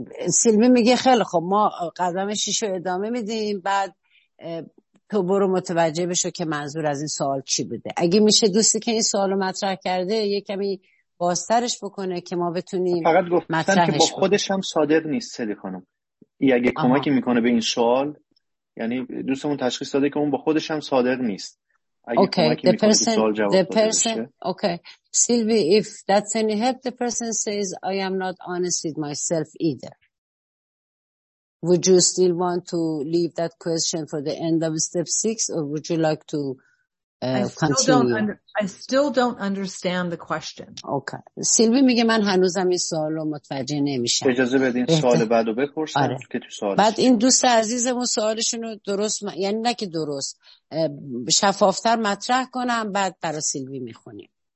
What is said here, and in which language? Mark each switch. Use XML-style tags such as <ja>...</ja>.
<fa>سیلوی میگه خیلی خب ما قدم 6 رو ادامه میدیم بعد تو برو متوجه بشو که منظور از این سوال چی بوده. اگه میشه دوستی که این سوال رو مطرح کرده یه کمی بازترش بکنه که ما بتونیم مطرحش فقط گفتن که با خودش هم صادق نیست سلی خانم. اگه کمکی میکنه به این سوال، یعنی دوستمون تشخیص داده که اون با خودش هم صادق نیست.</fa> <en>Okay, the person, the person, okay, Sylvie, if that's any help, the person says, I am not honest with myself either. Would you still want to leave that question for the end of step 6 or would you like to continue? I still don't understand the question.</en> <fa>Okay, Sylvie میگه من هنوزم این سوال رو متوجه نمیشم. اجازه بدین سوال بعدو بپرسم. آره. که تو سوال بعد این دوست عزیزمون سوالشونو درست یعنی نه که درست شفافتر مطرح کنم بعد برای سیلوی میخونیم.</fa>